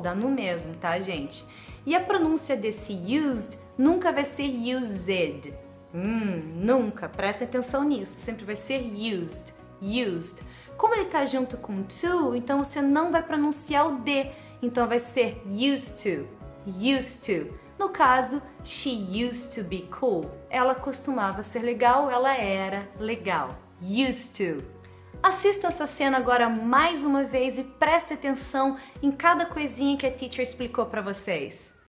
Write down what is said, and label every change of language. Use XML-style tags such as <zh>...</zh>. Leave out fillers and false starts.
<pt>Dá no mesmo, tá, gente? E a pronúncia desse used nunca vai ser used. Nunca. Presta atenção nisso. Sempre vai ser used. Used. Como ele tá junto com to, então você não vai pronunciar o D. Então, vai ser</pt> <en>used to. Used to.</en> <pt>No caso,</pt> <en>she used to be cool.</en> <pt>Ela costumava ser legal, ela era legal.</pt> <en>Used to.</en> <pt>Assista essa cena agora mais uma vez e preste atenção em cada coisinha que a teacher explicou pra vocês.</pt>